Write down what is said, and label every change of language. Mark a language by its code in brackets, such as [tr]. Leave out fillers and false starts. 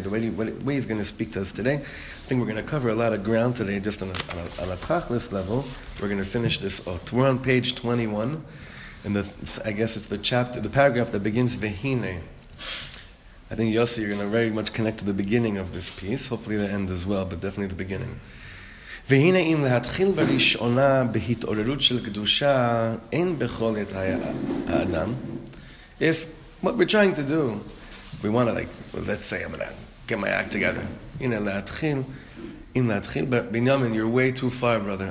[en] The way he's going to speak to us today, I think we're going to cover a lot of ground today. Just on a tachlis level, we're going to finish this. We're on page 21, and I guess it's the chapter, the paragraph that begins Vehine. I think Yossi, you're going to very much connect to the beginning of this piece. Hopefully, the end as well, but definitely the beginning. [he] והנה אם להתחיל בראשונה בהתעוררות של קדושה אין בכולת האדם. [en] If what we're trying to do, if we want to, like, well, let's say I'm going to get my act together. [he] הנה להתחיל, אם להתחיל, בנימין, [en] you're way too far, brother.